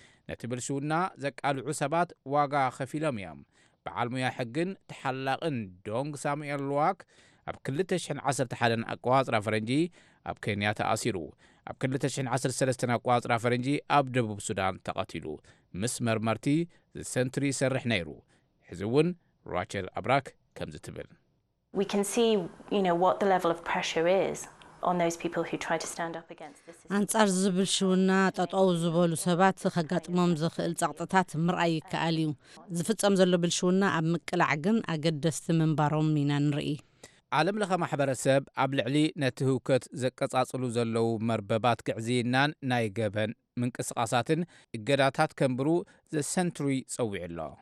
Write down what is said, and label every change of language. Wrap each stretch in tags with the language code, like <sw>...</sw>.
<ti>ነቲ ብልሽውና ዘቃልዑ ሰባት ዋጋ ኸፊሎም እዮም በዓል ሙያ ሕግን ተሓላቕን ዶንግ ሳሙኤል ልዋክ ኣብ 211 ኣቋፅራ ፈረንጂ ኣብ ኬንያ ተኣሲሩ ኣብ 213 ኣቋፅራ ፈረንጂ ኣብ ደቡብ ሱዳን ተቐቲሉ ምስ መርመርቲ ዘሰንትሪ ይሰርሕ ነይሩ ሕዚ እውን ራቸል ኣብራክ ከምዚ ትብል</ti> <en>We can see, you know, what the level of pressure is on those people who try to stand up against this system.</en> <ti>አንጻር ዝብልሽውና ጠጠው ዝበሉ ሰባት ከጋጥሞም ዝኽእል ጸቕጥታት ምርኣይ ይከኣል እዩ ዝፍጸም ዘሎ ብልሽውና ኣብ ምቅላዕ ግን ኣገደስቲ ምንባሮም ኢና ንርኢ ዓለም ለኸ ማሕበረሰብ ኣብ ልዕሊ ነቲ ህውከት ዘቀጻጽሉ ዘለዉ መርበባት ግዕዝናን ናይ ገበን ምንቅስቓሳትን እገዳታት ከምብሩ ዘሰንትሪ ጸዊዕ ኣሎ</ti>